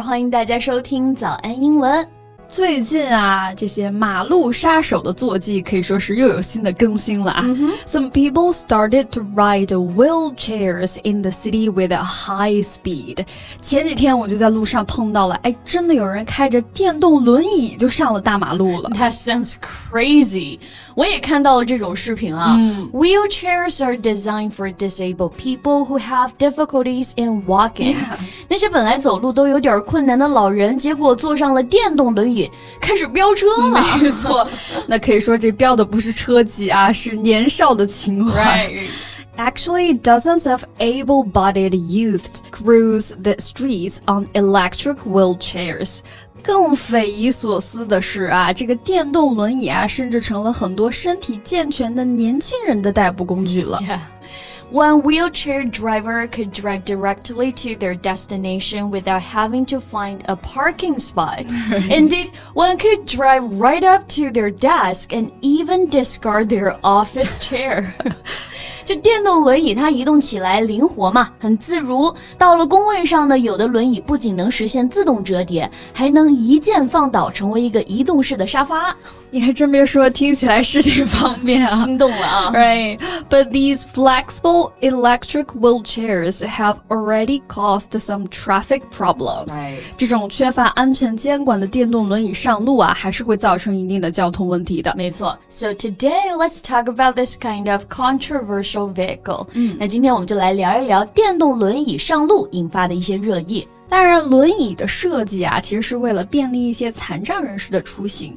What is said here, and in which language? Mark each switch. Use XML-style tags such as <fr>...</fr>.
<zh>欢迎大家收听早安英文。最近啊，这些马路杀手的坐骑可以说是又有新的更新了啊。 Mm-hmm.</zh> <en>Some people started to ride wheelchairs in the city with a high speed.</en> <zh>前几天我就在路上碰到了，哎，真的有人开着电动轮椅就上了大马路了。</zh> <en>That sounds crazy.</en> <zh>我也看到了这种视频啊。 Mm.</zh> <en>Wheelchairs are designed for disabled people who have difficulties in walking. Yeah.</en> <zh>那些本来走路都有点困难的老人，结果坐上了电动轮椅。开始飙车了，没错，那可以说这飙的不是车技啊，是年少的情怀。</zh> <en>Right. Actually, dozens of able-bodied youths cruise the streets on electric wheelchairs.</en> <zh>更匪夷所思的是啊，这个电动轮椅啊，甚至成了很多身体健全的年轻人的代步工具了。</zh> <en>Yeah. One wheelchair driver could drive directly to their destination without having to find a parking spot. Indeed, one could drive right up to their desk and even discard their office chair.</en> <zh>就电动轮椅它移动起来灵活嘛，很自如。到了工位上呢，有的轮椅不仅能实现自动折叠，还能一键放倒成为一个移动式的沙发。你还真别说，听起来是挺方便啊。心动了啊。</zh> <en>Right. But these flexible electric wheelchairs have already caused some traffic problems. Right.</en> <zh>这种缺乏安全监管的电动轮椅上路啊，还是会造成一定的交通问题的。没错。</zh> <en>So today, let's talk about this kind of controversial vehicle. 嗯，</en> <zh>那今天我们就来聊一聊电动轮椅上路引发的一些热议。当然轮椅的设计啊，其实是为了便利一些残障人士的出行。</zh>